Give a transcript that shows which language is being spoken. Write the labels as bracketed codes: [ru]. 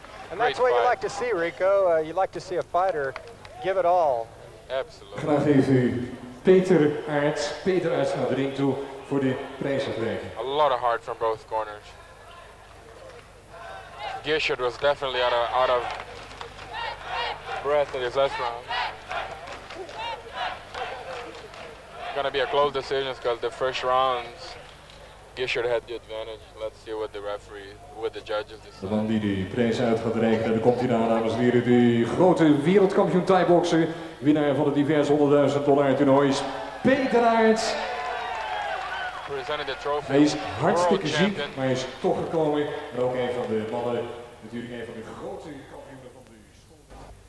[en] And that's what you like to see, Rico. You like to see a fighter give it all. Absolutely. [nl] Graag even Peter Aerts. Peter Aerts naar de ring toe voor de prijsuitreiking. [en] A lot of heart from both corners. Gishard was definitely out of breath in his last round. Gonna be a close decision because the first rounds Gishard had the advantage. Let's see what the referee, what the judges decide. [nl] De man die de prijs uit gaat reiken, daar komt hij naar, dames en heren, die grote wereldkampioen thaiboxer, winnaar van de diverse $100,000 toernoois, Peter Aerts. [en] Presented the trophy. [nl] Hij is hartstikke ziek, maar hij is toch gekomen. En ook een van de mannen, natuurlijk een van de grote kampioenen van de school.